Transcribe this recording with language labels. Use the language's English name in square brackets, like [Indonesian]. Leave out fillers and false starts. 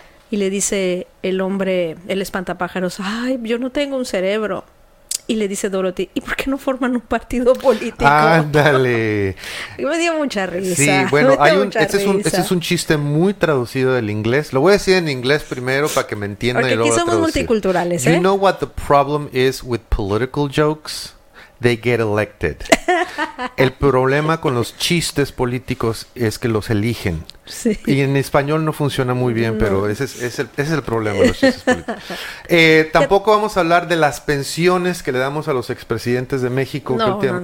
[Spanish] Y le dice el hombre, el espantapájaros, ay, yo no tengo un cerebro. Y le dice Dorothy, ¿y por qué no forman un partido político? ¡Ándale! Me dio mucha risa. Sí, bueno, hay un, este es un chiste muy traducido del inglés. Lo voy a decir en inglés primero para que me entiendan. Porque y luego aquí somos multiculturales, ¿eh? [English] You know what the problem is with political jokes? They get elected. [Spanish] El problema con los chistes políticos es que los eligen. Sí. Y en español no funciona muy bien, no. Pero ese es el problema de los chistes políticos. Tampoco vamos a hablar de las pensiones que le damos a los expresidentes de México. No, que no.